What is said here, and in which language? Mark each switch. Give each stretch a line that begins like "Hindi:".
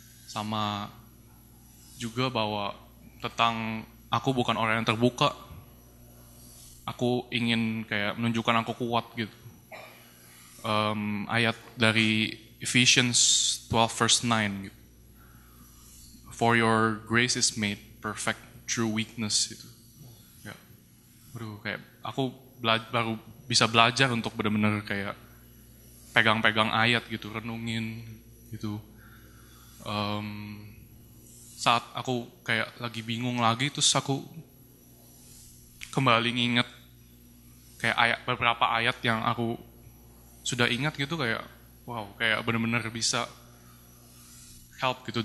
Indonesian: Sama juga bahwa tentang aku bukan orang yang terbuka, aku ingin kayak menunjukkan aku kuat gitu. Ayat dari Ephesians 12 verse 9 gitu.
English: For your grace is made perfect through weakness gitu.
Indonesian: Ya. Aduh, kayak aku baru bisa belajar untuk benar-benar kayak pegang-pegang ayat gitu, renungin gitu. Saat aku kayak lagi bingung lagi, terus aku kembali nginget kayak ayat, beberapa ayat yang aku sudah ingat gitu, kayak wow, kayak benar-benar bisa help gitu.